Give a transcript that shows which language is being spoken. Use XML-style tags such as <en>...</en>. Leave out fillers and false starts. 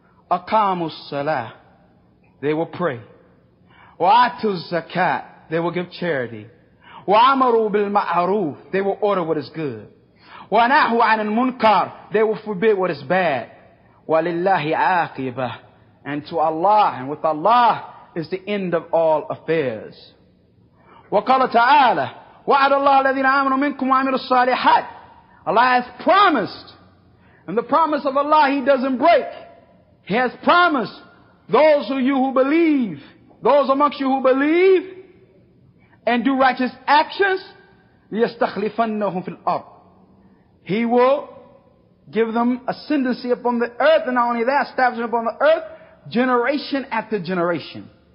<ar>أَقَامُوا الصَّلَاةَ</ar> <en>They will pray.</en> <ar>وَآتُوا الزَّكَاةَ</ar> <en>They will give charity.</en> <ar>وَأَمَرُوا بِالْمَعْرُوفِ</ar> <en>They will order what is good.</en> <ar>وَنَهُوا عَنِ الْمُنْكَرِ</ar> <en>They will forbid what is bad.</en> <ar>وَلِلَّهِ عَاقِبَةٌ</ar> <en>And to Allah, and with Allah, is the end of all affairs.</en> <ar>وَقَالَ تَعَالَى وَعَدَ اللَّهُ الَّذِينَ آمَنُوا مِنْكُمْ وَعَمِلُوا الصَّالِحَاتِ</ar> <en>Allah has promised. And the promise of Allah, He doesn't break. He has promised those of you who believe, those amongst you who believe and do righteous actions,</en> <ar>لِيَسْتَخْلِفَنَّهُمْ فِي الْأَرْضِ</ar> <en>He will give them ascendancy upon the earth, and not only that, establishment upon the earth, generation after generation.</en>